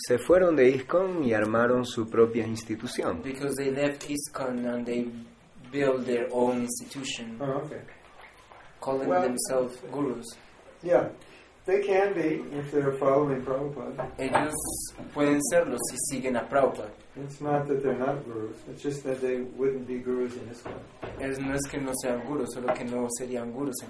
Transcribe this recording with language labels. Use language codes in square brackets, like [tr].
[es] Se fueron de ISKCON y armaron su propia institución. [en] Because they left ISKCON and they built their own institution. Oh, okay. Calling themselves gurus. Yeah, they can be if they're following Prabhupada. [es] Ellos pueden serlo si siguen a Prabhupada. [en] It's not that they're not gurus. It's just that they wouldn't be gurus in ISKCON. [es] Es no es que no sean gurus, solo que no serían gurus en